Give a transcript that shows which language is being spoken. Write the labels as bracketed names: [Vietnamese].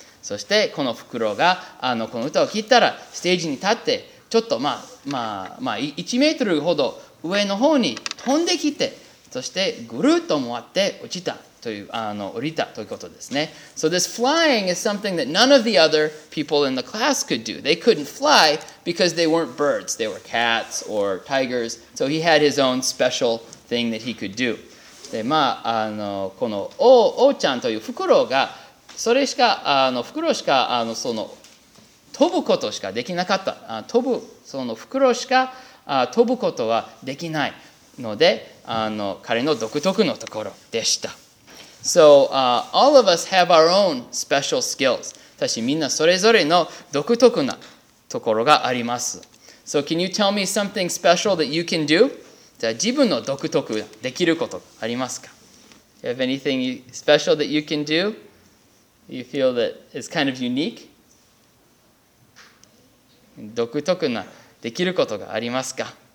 [Japanese] そしてこのフクロウがあのこの歌を聴いたらステージに立ってちょっとまあ1メートルほど上の方に飛んできて、そしてぐるっと回って落ちたというあの降りたということですね。 [English] So this flying is something that none of the other people in the class could do. They couldn't fly because they weren't birds. They were cats or tigers. So he had his own special thing that he could do. [Japanese] で、まあ、あのこの王ちゃんというフクロウがそれしかあのフクロウしかあのその飛ぶことしかできなかった。飛ぶそのフクロウしか飛ぶことはできないのであの彼の独特のところでした。 [English] So, all of us have our own special skills. [Japanese] ただみんなそれぞれの独特なところがあります。 [English] So, can you tell me something special that you can do? [Japanese] じゃあ自分の独特できることありますか? [English] You have anything special that you can do? You feel that it's kind of unique? [Japanese] 独特なできることがありますか?